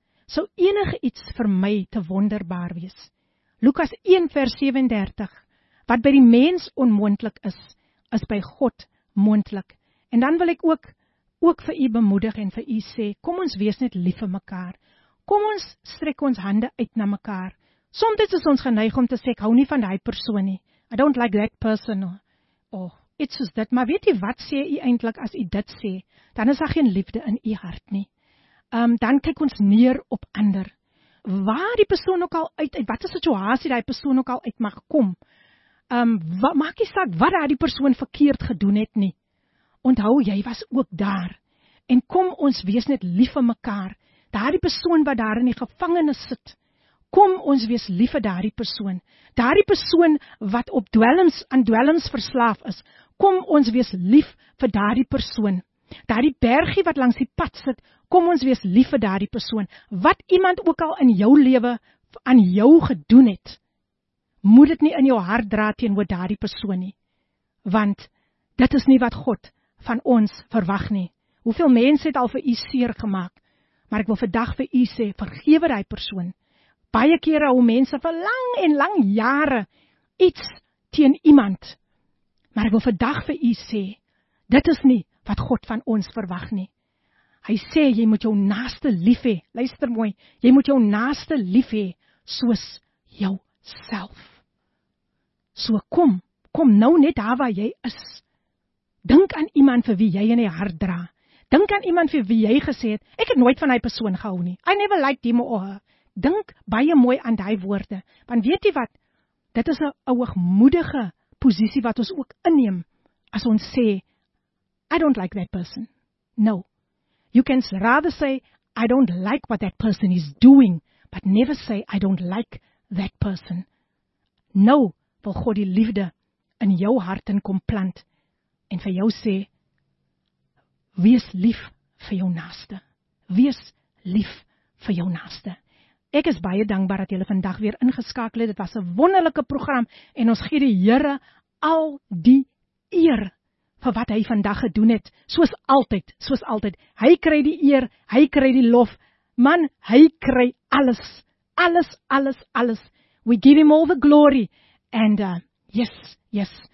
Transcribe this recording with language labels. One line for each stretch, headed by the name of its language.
Afrikaans: Sou enige iets vir my te wonderbaar wees. Lukas 1 vers 37. Wat by die mens onmoontlik is, is by God moontlik. En dan wil ek ook vir u bemoedig en vir u sê, kom ons wees net lief vir mekaar. Kom ons strek ons hande uit na mekaar. Soms is ons geneig om te sê, ek hou nie van die persoon nie.
English: I don't like that person.
Afrikaans: Oh, iets soos dit. Maar weet u wat sê u eintlik as u dit sê? Dan is daar geen liefde in u hart nie. Dan kyk ons neer op ander. Waar die persoon ook al uit wat is situasie die persoon ook al uit mag kom? Wat maak jy saak wat daar die persoon verkeerd gedoen het nie? Onthou, jy was ook daar. En kom ons wees net lief vir mekaar. Daardie persoon wat daar in die gevangenis sit. Kom ons wees lief vir daardie persoon. Daardie persoon wat op dwelms verslaaf is. Kom ons wees lief vir daardie persoon. Daardie bergie wat langs die pad sit. Kom ons wees lief vir daardie persoon. Wat iemand ook al in jou lewe aan jou gedoen het. Moet dit nie in jou hart dra teenoor daardie persoon nie. Want dit is nie wat God van ons verwag nie. Hoeveel mense het al vir u seer gemaak? Maar ek wil vandag vir u sê, vergewe daai persoon. Baie kere hou mense vir lang en lang jare iets teen iemand. Maar ek wil vandag vir u sê, dit is nie wat God van ons verwag nie. Hy sê, jy moet jou naaste lief hê. Luister mooi, jy moet jou naaste lief hê soos jou self. So kom nou net daar waar jy is. Dink aan iemand vir wie jy in die hart dra. Dink aan iemand vir wie jy gesê het, ek het nooit van die persoon gehou nie.
English: I never liked him or her.
Afrikaans: Dink baie mooi aan die woorde. Want weet jy wat? Dit is 'n hoogmoedige posisie wat ons ook inneem. As ons sê,
English: I don't like that person. No. You can rather say, I don't like what that person is doing. But never say, I don't like that person.
Afrikaans: No, wil God die liefde in jou hart in kom plant. En vir jou sê, wees lief vir jou naaste. Wees lief vir jou naaste. Ek is baie dankbaar dat jy vandag weer ingeskakel het. Dit was 'n wonderlike program en ons gee die Here al die eer vir wat hy vandag gedoen het. Soos altyd. Hy kry die eer, hy kry die lof. Man, hy kry alles. Alles.
English: We give him all the glory. And yes.